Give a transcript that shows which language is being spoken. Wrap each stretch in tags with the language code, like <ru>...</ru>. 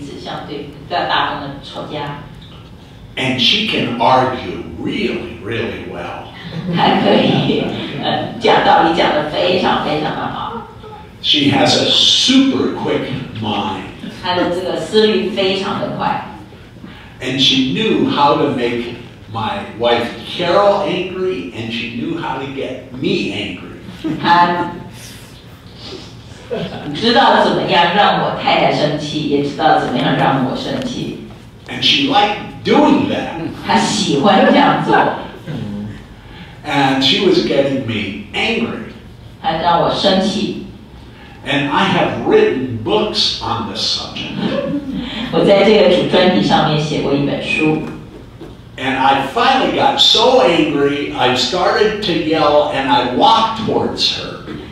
<zh>所以她跟我呢,在厨房里面有的时候会大声的彼此相对,比较大声的吵架。</zh> <en>And she can argue really, really well.</en> <zh>她可以讲道理讲得非常非常的好。</zh> <en>She has a super quick mind.</en> <zh>她的这个思虑非常的快。</zh> <en>And she knew how to make my wife Carol angry, and she knew how to get me angry.</en> <zh>知道怎么样让我太太生气，也知道怎么样让我生气。</zh> <en>And she liked doing that.</en> <zh>她喜欢这样做。</zh> <en>And she was getting me angry.</en> <zh>她让我生气。</zh> <en>And I have written books on this subject.</en> <zh>我在这个主专题上面写过一本书。</zh> <en>And I finally got so angry, I started to yell, and I walked towards her.</en>